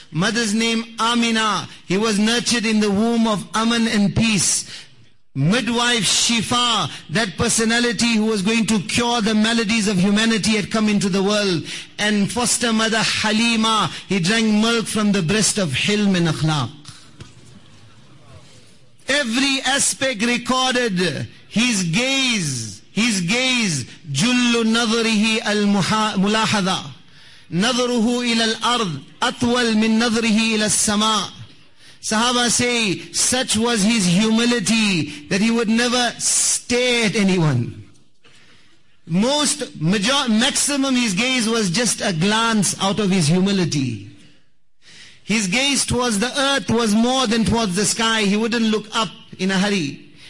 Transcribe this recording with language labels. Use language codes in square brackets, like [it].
[en] Mother's name Amina. He was nurtured in the womb of Aman and peace. Midwife Shifa, that personality who was going to cure the maladies of humanity, had come into the world. And foster mother Halima, he drank milk from the breast of Hilm and Akhlaq. Every aspect recorded. His gaze, [ar] جُلُّ نَظْرِهِ الْمُلَاحَذَا نَظْرُهُ إِلَى الْأَرْضِ أَطْوَلْ مِنْ نَظْرِهِ إِلَى السَّمَاءِ. [en] Sahaba say, such was his humility that he would never stare at anyone. Maximum his gaze was just a glance out of his humility. His gaze towards the earth was more than towards the sky. He wouldn't look up in a hurry.